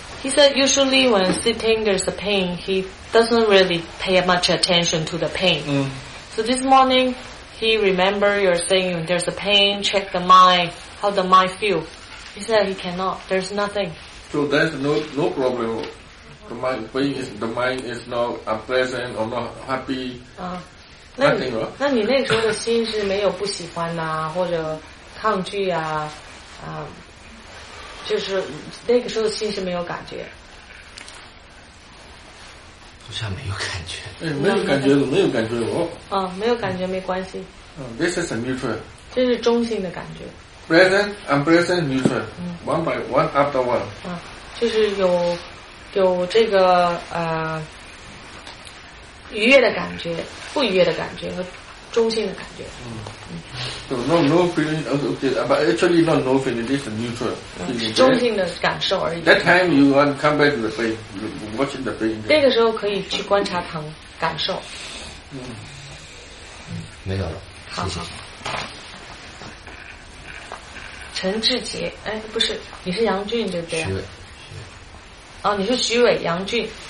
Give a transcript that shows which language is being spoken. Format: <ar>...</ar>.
<en>He said usually when sitting there's a pain, he doesn't really pay much attention to the pain. So this morning, he remember you're saying there's a pain, check the mind, how the mind feel. He said he cannot, there's nothing. So there's no problem. The mind, the mind is not unpleasant or not happy. Nothing.</en> <zh>那你那时候的心是没有不喜欢啊或者抗拒啊就是那个时候心是没有感觉，好像没有感觉。没有感觉。没有感觉没关系。</zh> <en>This is a neutral.</en> <zh>这是中性的感觉。</zh> <en>Present, unpleasant, neutral. One by one after one.</en> <zh>就是有这个愉悦的感觉，不愉悦的感觉和中性的感觉。</zh> <en>No feeling, okay, but actually not no feeling, it's a neutral. It's just a</en> <zh>感受而已。</zh> <en>That time you want to come back to the pain, watching the pain.</en> <zh>那个时候可以去观察疼感受。没有了，谢谢。陈志杰，不是，你是杨俊对不对？徐伟。哦，你是徐伟，杨俊。</zh>